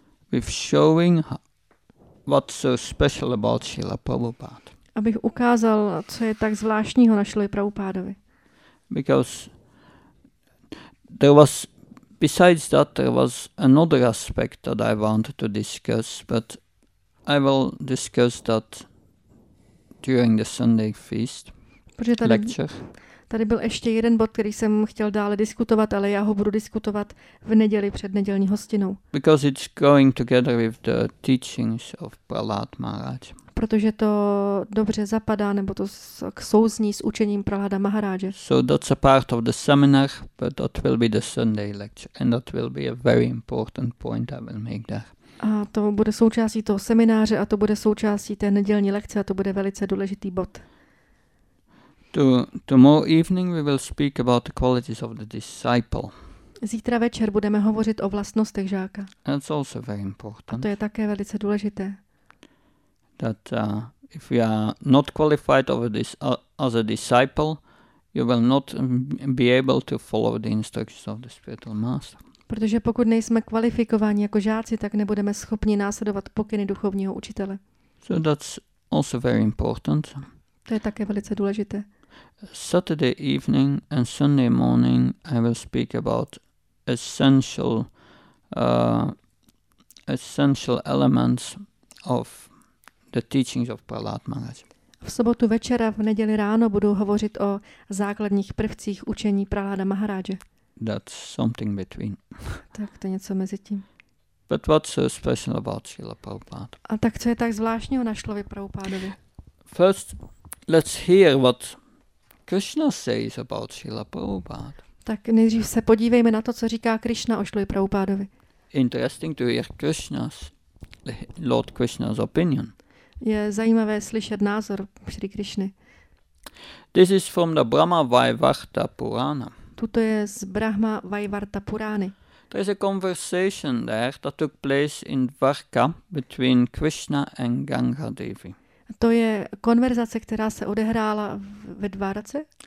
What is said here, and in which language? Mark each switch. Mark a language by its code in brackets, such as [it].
[en] With showing what's so special about Srila Prabhupada. [cs] Abych ukázal, co je tak zvláštního na Srila Prabhupádovi. [en] Because there was, besides that, there was another aspect that I wanted to discuss, but I will discuss that during the Sunday feast lecture. [cs] Tady byl ještě jeden bod, který jsem chtěl dále diskutovat, ale já ho budu diskutovat v neděli před nedělní hostinou. [en] Because it's going together with the teachings of Prahlad Maharaj. [cs] Protože to dobře zapadá, nebo to k souzní s učením Prahlada Maharaje. [en] So that's a part of the seminar, but that will be the Sunday lecture, and that will be a very important point I will make there. [cs] A to bude součástí toho semináře a to bude součástí té nedělní lekce a to bude velice důležitý bod. [en] Tomorrow evening we will speak about the qualities of the disciple. [cs] Zítra večer budeme hovořit o vlastnostech žáka. [en] That's also very important. [cs] A to je také velice důležité. [en] That if you are not qualified over this as a disciple, you will not be able to follow the instructions of the spiritual master. [cs] Protože pokud nejsme kvalifikováni jako žáci, tak nebudeme schopni následovat pokyny duchovního učitele. [en] So that's also very important. [cs] To je také velice důležité. [en] Saturday evening and Sunday morning I will speak about essential elements of the teachings of Prahlad Maharaj. [cs] V sobotu večera, v neděli ráno budu hovořit o základních prvcích učení Prahláda Maharáže. [en] That's something between. [cs] Tak to něco mezi tím. [en] But what's so special about Srila Prabhupada? [cs] A tak co je tak zvláštního na Srila Prabhupádovi? [en] First, let's hear what Krishna says about Srila Prabhupada. [cs] Tak nejdřív se podívejme na to, co říká Krishna o Srila Prabhupádovi. [en] Interesting to hear Krishna's, Lord Krishna's opinion. [cs] Je zajímavé slyšet názor Šri Krishny. [en] This is from the Brahma Vaivarta Purana. [cs] Tuto je z Brahma Vaivarta Purány. [en] There is a conversation there that took place in Dvarka between Krishna and Ganga Devi. [cs] To je konverzace, která se odehrála ve Dvarce?